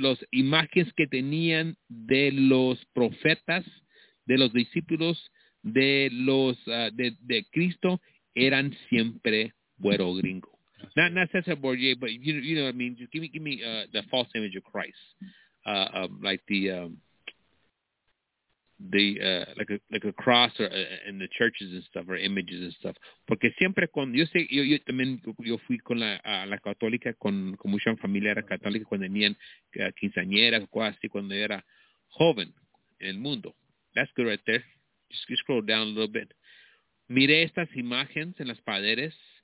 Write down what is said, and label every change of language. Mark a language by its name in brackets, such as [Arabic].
[Spanish] imágenes que tenían de los profetas, de los discípulos, de los de Cristo, eran siempre güero gringo. [English] Not César Borgia, but you know what I mean. Just give me the false image of Christ, like the cross or in the churches and stuff or images and stuff. [Spanish] Porque siempre cuando yo sé, yo también yo fui con la católica con mucha familia era católica cuando tenían quinceañera o así cuando era joven en el mundo. [English] That's good right there. Just scroll down a little bit. [Spanish] Miré estas imágenes en las paredes.